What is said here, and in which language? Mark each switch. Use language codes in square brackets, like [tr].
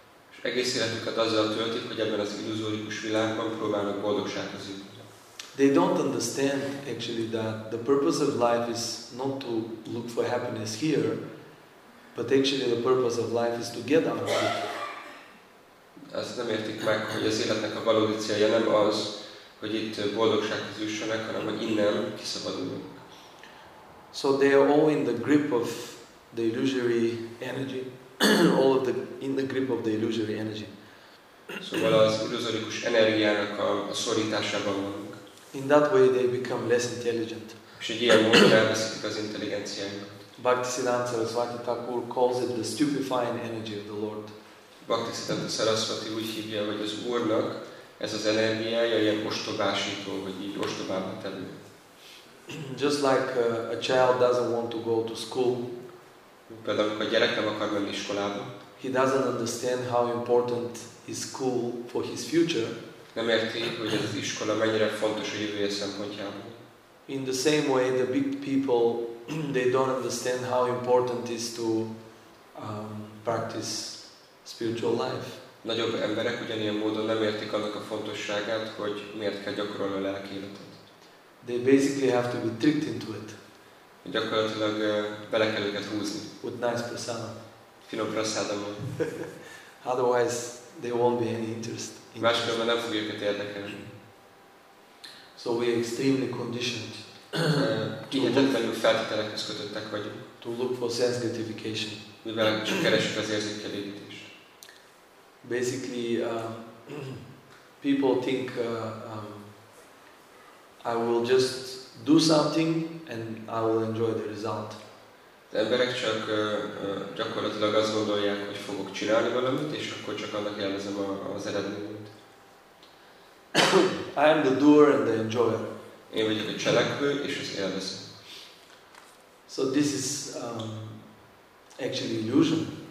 [hu] És egész életüket azzal töltik, hogy ebben az illuzórikus világban próbálnak boldogsághoz jutni. [en] They don't understand actually that the purpose of life is not to look for happiness here, but actually the purpose of life is to get out of it. [hu] Azt nem értik meg, hogy az életnek a valódi célja nem az, hogy itt boldogsághoz jussanak, hanem hogy innen kiszabaduljon. [en] So they are all in the grip of the illusory energy. All of the in the grip of the illusory energy. [hu] Szóval az illuzórikus energiának a szorításában vannak. [en] In that way they become less intelligent. [hu] És egy ilyen módon elveszik az intelligenciájukat. [en] Bhaktisiddhanta Saraswati Thakur calls it the stupefying energy of the Lord. [hu] Bhaktisiddhanta Saraswati úgy hívja, hogy az Úrnak ez az energiája ilyen ostobásító, vagy így ostobába tevő. [en] Just like a child doesn't want to go to school. [hu] Például, amikor a gyerek nem akar menni iskolába. [en] He doesn't understand how important is school for his future. [hu] Nem érti, hogy ez az iskola mennyire fontos a jövője szempontjából. [en] In the same way, the big people, they don't understand how important is to practice spiritual life. [hu] Nagyobb emberek ugyanilyen módon nem értik annak a fontosságát, hogy miért kell gyakorolni a lelki életet. [en] They basically have to be tricked into it. [hu] Gyakorlatilag bele kell őket húzni. [en] With nice prasadam. [hu] Finom prasadammal. [en] Otherwise, they won't be any interest. [hu] Máskülönben nem fogja őket érdekelni. [en] So we are extremely conditioned. [hu] Kihetetlenül feltételekhez kötöttek vagyunk. [en] To look for sense gratification. [hu] Mivel csak keresünk az érzékelégítést. [en] Basically, people think I will just do something and I will enjoy the result. [hu] De emberek csak gyakorlatilag azt gondolják, hogy fogok csinálni valamit, és akkor csak annak élvezem az eredményt. [en] I am the doer and the enjoyer. [hu] Én vagyok a cselekvő és az élvező. [en] So this is actually illusion.